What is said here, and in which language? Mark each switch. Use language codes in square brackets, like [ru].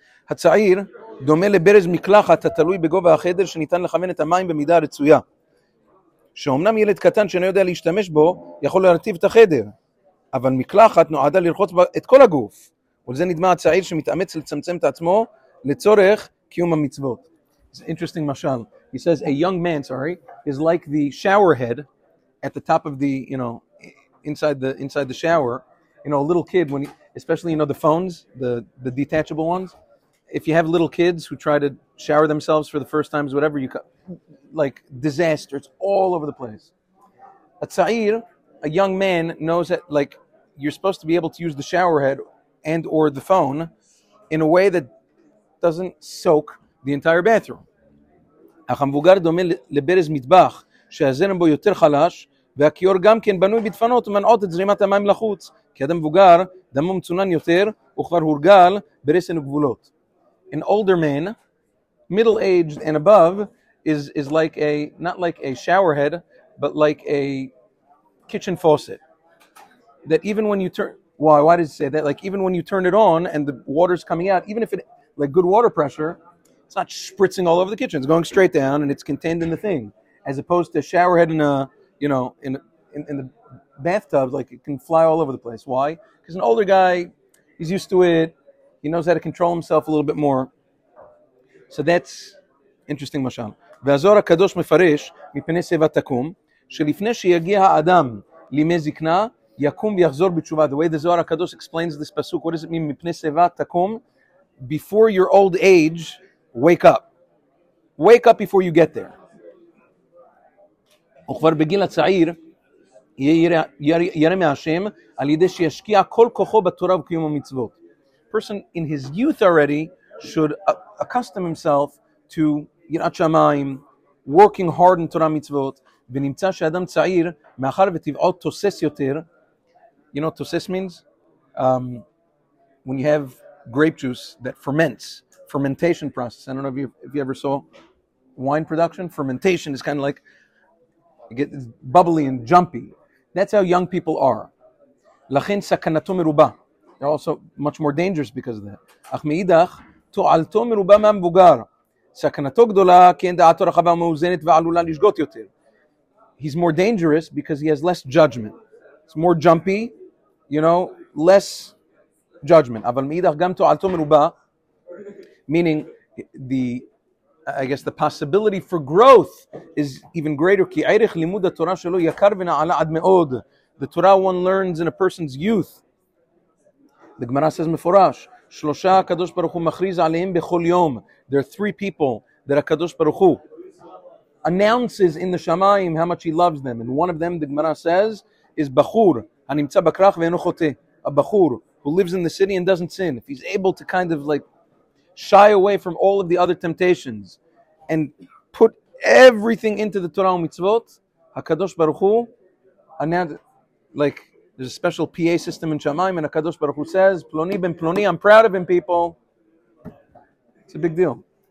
[he] הצעיר דומה לברז מקלחת התלוי בגובה החדר שניתן לכוון את המים במידה הרצויה. שאומנם ילד קטן שאינו יודע להשתמש בו יכול להרטיב את החדר, אבל מקלחת נועדה לרחוץ את כל הגוף. ולזה נדמה הצעיר שמתאמץ לצמצם את עצמו לצורך קיום המצוות. [en] It's an interesting mashal. He says a young man, sorry, is like the shower head at the top of the, you know, inside the shower. You know, a little kid, when he, especially, you know, the phones, the detachable ones. If you have little kids who try to shower themselves for the first time, is whatever, you like disaster. It's all over the place. A tzair, a young man, knows that, like, you're supposed to be able to use the shower head and or the phone in a way that doesn't soak the entire bathroom. [he] אך המבוגר דומה לברז מטבח שהזרם בו יותר חלש והכיור גם כן בנוי בדפנות ומנעות את זרימת המים לחוץ, כי אדם מבוגר דמו מצונן יותר וכבר הורגל ברסן וגבולות. [en] An older man, middle aged and above, is like a, not like a shower head, but like a kitchen faucet. That even when you turn, why does it say that? Like even when you turn it on and the water's coming out, even if it, like good water pressure, it's not spritzing all over the kitchen. It's going straight down and it's contained in the thing. As opposed to a shower head in a, you know, in the bathtub, like it can fly all over the place. Why? Because an older guy, he's used to it. He knows how to control himself a little bit more. So that's interesting, mashal. [he] והזוהר הקדוש מפרש מפני שיבה תקום, שלפני שיגיע האדם לימי זקנה, יקום ויחזור בתשובה. [en] The way the Zohar HaKadosh explains this pasuk, what does it mean, [he] מפני שיבה תקום? [en] Before your old age, wake up. Wake up before you get there. [he] וכבר בגיל הצעיר, ירא מהשם, על ידי שישקיע כל כוחו בתורה וקיום המצוות. [en] Person in his youth already should accustom himself to יראת שמיים, working hard in Torah mitzvot, [he] ונמצא שאדם צעיר, מאחר וטבעו תוסס יותר, [en] you know what tosses means? When you have grape juice that ferments, fermentation process. I don't know if you ever saw wine production. Fermentation is kind of like, it gets bubbly and jumpy. That's how young people are. [he] לכן סכנתו מרובה. [en] They're also much more dangerous because of that. [he] אך מאידך, תועלתו מרובה מהמבוגר. סכנתו גדולה, כי אין דעתו רחבה ומאוזנת ועלולה לשגות יותר. [en] He's more dangerous because he has less judgment. It's more jumpy, you know, less judgment. [he] אבל מאידך גם תועלתו מרובה, [en] meaning the, I guess, the possibility for growth is even greater. [he] כי ערך לימוד התורה שלו יקר ונעלה עד מאוד. [en] The Torah one learns in a person's youth. The Gemara says [he] מפורש, שלושה הקדוש ברוך הוא מכריז עליהם בכל יום. [en] There are three people that הקדוש ברוך הוא announces in the Shamaim how much he loves them. And one of them, the Gemara says, is [he] בחור, הנמצא בקרח ואינו חוטא. [en] A בחור, who lives in the city and doesn't sin. If he's able to kind of like shy away from all of the other temptations and put everything into the Torah ומצוות, הקדוש ברוך הוא announces, like, there's a special PA system in Shamayim, and HaKadosh Baruch Hu says, Ploni ben Ploni, I'm proud of him, people. It's a big deal.